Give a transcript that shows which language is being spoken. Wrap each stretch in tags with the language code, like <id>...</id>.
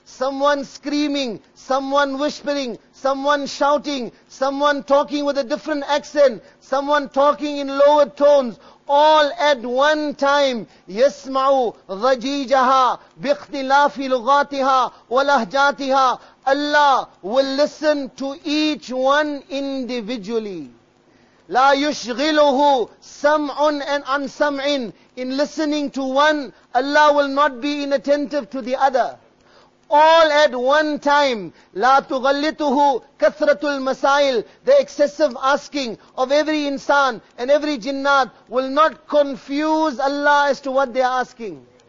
<en>someone screaming, someone whispering, someone shouting, someone talking with a different accent, someone talking in lower tones, all at one time.</en> <ar>يَسْمَعُ رَجِيجَهَا بِاخْتِلَافِ لُغَاتِهَا وَلَهْجَاتِهَا.</ar> <en>Allah will listen to each one individually.</en> <ar>لا يشغله سمع</ar> <en>and unسمع. In listening to one, Allah will not be inattentive to the other. All at one time.</en> <ar>لا تغلطه كثرة المسائل.</ar> <en>The excessive asking of every insan and every jinnat will not confuse Allah as to what they are asking.</en>